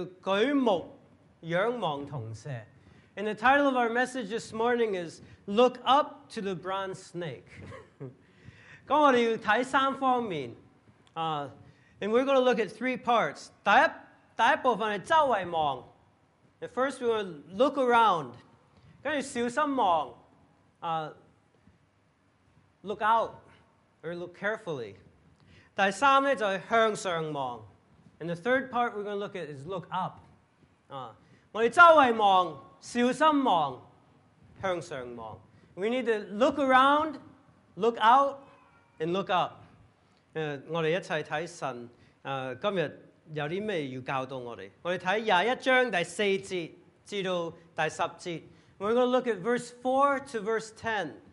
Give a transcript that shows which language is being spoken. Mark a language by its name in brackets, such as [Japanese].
[Chinese] 今天我们要看的信息叫举目仰望同舍。 [English] And the title of our message this morning is Look Up to the Bronze Snake. [Chinese] 我们要看三方面, [English] and we're going to look at three parts. [Chinese] 第一部分是周围望, [English] and first we're going to look around. [Chinese] 然后小心望, [English] look out, or look carefully. [Chinese] 第三就是向上望, [English] and the third part we're going to look at is look up. [Chinese] 我们周围望, 小心望, 向上望. [English] We need to look around, look out, and look up. [Chinese] 我们一起看神, 今天有什么要教导我们? 我们看21章第4节至第10节。 [English] We're going to look at verse 4 to verse 10.